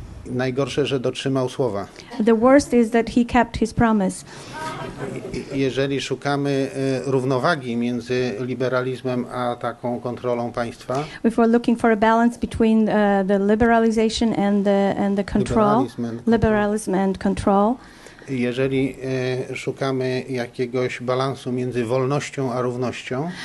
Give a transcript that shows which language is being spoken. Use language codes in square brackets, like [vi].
[pl] Najgorsze, że dotrzymał słowa. [en] The worst is that he kept his promise. [pl] Jeżeli szukamy równowagi między liberalizmem a taką kontrolą państwa. [en] If we're looking for a balance between the liberalization and the control. Liberalism and control. [pl] Jeżeli szukamy jakiegoś balansu między wolnością a równością.